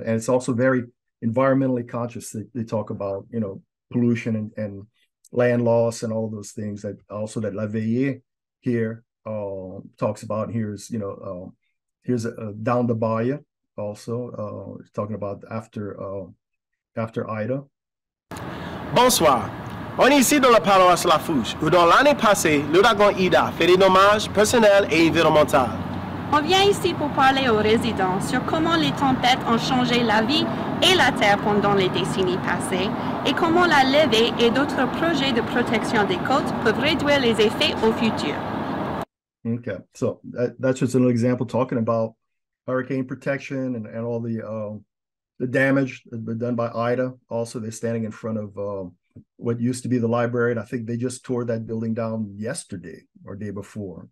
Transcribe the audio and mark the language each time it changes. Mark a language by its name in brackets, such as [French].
[English] And it's also very environmentally conscious. They talk about, you know, pollution and land loss and all of those things that also that La Veillée here talks about. Here's, you know, here's down the bayou also talking about after Ida. [French] Bonsoir. On est ici dans la paroisse La Fouche, où dans l'année passée, l'ouragan Ida fait des dommages personnels et environnementaux. On vient ici pour parler aux résidents sur comment les tempêtes ont changé la vie et la terre pendant les décennies passées et comment la levée et d'autres projets de protection des côtes peuvent réduire les effets au futur. [English] Okay, so that's just an example talking about hurricane protection and all the damage that's been done by Ida. Also, they're standing in front of what used to be the library, and I think they just tore that building down yesterday or day before.